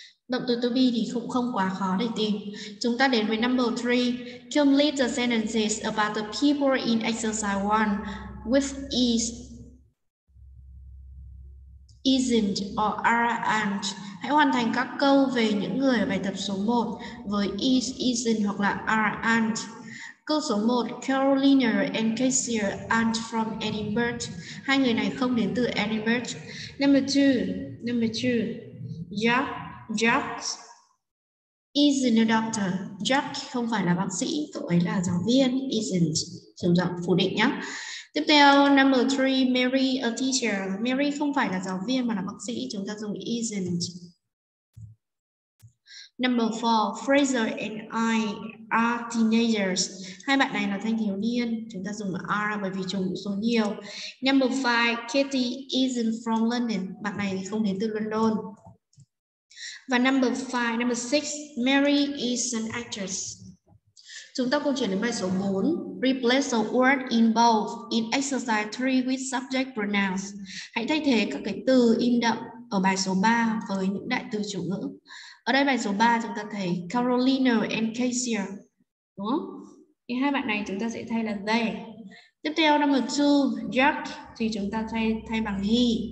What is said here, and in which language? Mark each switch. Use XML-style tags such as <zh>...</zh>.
<vi>Động từ to be thì cũng không quá khó để tìm. Chúng ta đến với number 3.</vi> <en>Complete the sentences about the people in exercise 1 with is, isn't, or are, aren't.</en> <vi>Hãy hoàn thành các câu về những người ở bài tập số 1 với is, isn't hoặc là are, aren't. Câu số 1.</vi> <en>Carolina and Casey aren't from Edinburgh.</en> <vi>Hai người này không đến từ Edinburgh.</vi> <en>Number 2. Jacques isn't a doctor.</en> <vi>Jacques không phải là bác sĩ, cậu ấy là giáo viên. Isn't, dùng giọng phủ định nhé. Tiếp theo, number 3, Mary a teacher. Mary không phải là giáo viên mà là bác sĩ, chúng ta dùng isn't.</vi> <en>Number 4, Fraser and I are teenagers.</en> <vi>Hai bạn này là thanh thiếu niên, chúng ta dùng are bởi vì trùng số nhiều.</vi> <en>Number 5, Katie isn't from London.</en> <vi>Bạn này thì không đến từ London.</vi> <en>Và number 6, Mary is an actress.</en> <vi>Chúng ta cùng chuyển đến bài số 4.</vi> <en>Replace the word in both in exercise 3 with subject pronouns.</en> <vi>Hãy thay thế các cái từ in đậm ở bài số 3 với những đại từ chủ ngữ. Ở đây bài số 3 chúng ta thấy Carolina and Casey. Đúng không? Thì hai bạn này chúng ta sẽ thay là they. Tiếp theo number 2, Jack thì chúng ta thay bằng he.</vi>